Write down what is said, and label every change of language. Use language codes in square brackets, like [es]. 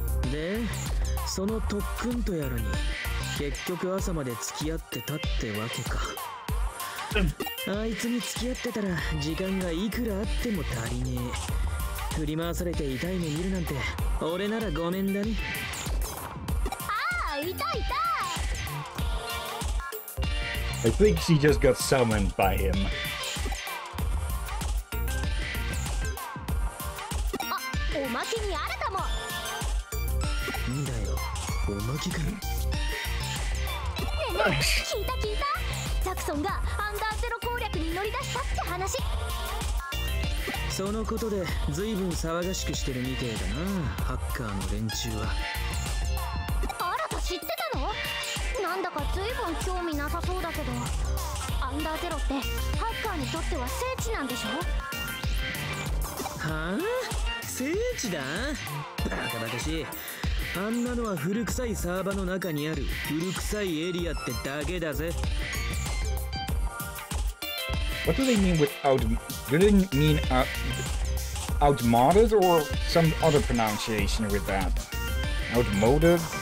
[ja] で、その特訓とやらに結局朝まで付き合ってたってわけか。あいつに付き合ってたら時間がいくらあっても足りねえ。振り回されて痛い目見るなんて俺ならごめんだね。ああ、いたいた。 [en] I think she just got summoned by him. [ja] あ、おまけに新たも。んだよ、おまけか。ねえねえ、聞いた聞いた。ザクソンがアンダーゼロ攻略に乗り出したって話。そのことで随分騒がしくしてるみてえだな、ハッカーの連中は。あらた知ってたの？なんだか随分興味なさそうだけど。アンダーゼロってハッカーにとっては聖地なんでしょ？はぁ、あ、聖地だ？バカバカしい。あんなのは古臭いサーバの中にある古臭いエリアってだけだぜ。 [en] What do they mean with out? Do they mean outmoded or some other pronunciation with that? Outmoded?